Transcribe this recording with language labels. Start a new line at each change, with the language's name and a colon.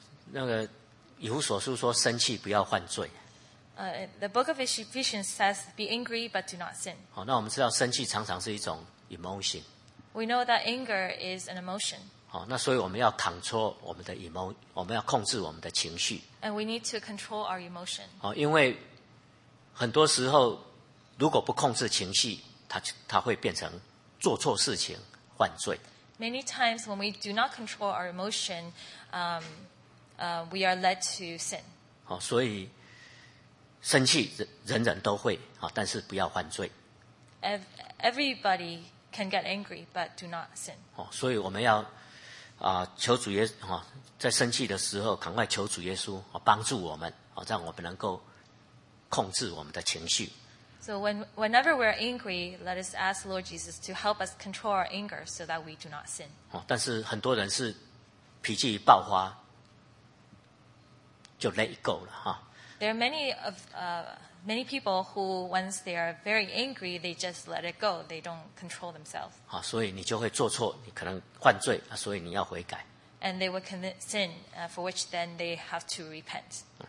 Chinese: 那个以弗所书说生气不要犯罪。
English: The book of Ephesians says, be angry, but do not sin.
Chinese: 好，那我们知道生气常常是一种 emotion.
English: We know that anger is an emotion.
Chinese: 好，那所以我们要 control 我们的 emotion， 我们要控制我们的情绪。
English: And we need to control our emotion.
Chinese: 好，因为很多时候如果不控制情绪，它会变成做错事情犯罪。
English: Many times when we do not control our emotion, we are led to sin.
Chinese: 好，所以生气人人都会，但是不要犯罪。
English: Everybody can get angry, but do not sin.
Chinese: 所以我们要求主耶稣，在生气的时候赶快求主耶稣帮助我们，让我们能够控制我们的情绪。
English: So whenever we're angry, let us ask Lord Jesus to help us control our anger so that we do not sin.
Chinese: 但是很多人是脾气一爆发就
English: let it go
Chinese: 了。
English: There are many of many people who once they are very angry, they just let it go. They don't control themselves.
Chinese: 好，所以你就会做错，你可能犯罪，所以你要悔改。
English: And they will commit sin, for which then they have to repent.